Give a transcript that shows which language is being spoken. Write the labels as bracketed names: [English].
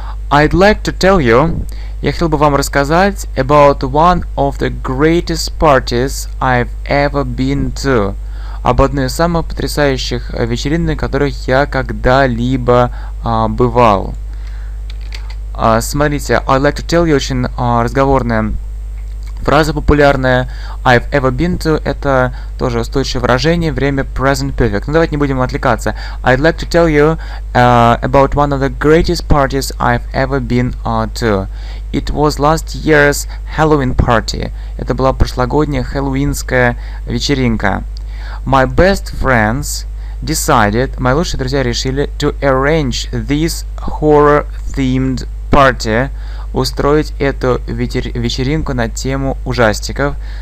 [English] I'd like to tell you, [Russian] я хотел бы вам рассказать [English] about one of the greatest parties I've ever been to, [Russian] об одной из самых потрясающих вечеринок, на которых я когда-либо бывал. Смотрите, [English] I'd like to tell you [Russian] очень разговорная фраза популярная. [English] I've ever been to [Russian] — это тоже устойчивое выражение, время present perfect. Ну давайте не будем отвлекаться. [English] I'd like to tell you about one of the greatest parties I've ever been to. It was last year's Halloween party. [Russian] Это была прошлогодняя хэллоуинская вечеринка. [English] My best friends decided, [Russian] мои лучшие друзья решили, [English] to arrange this horror-themed party, [Russian] устроить эту вечеринку на тему ужастиков.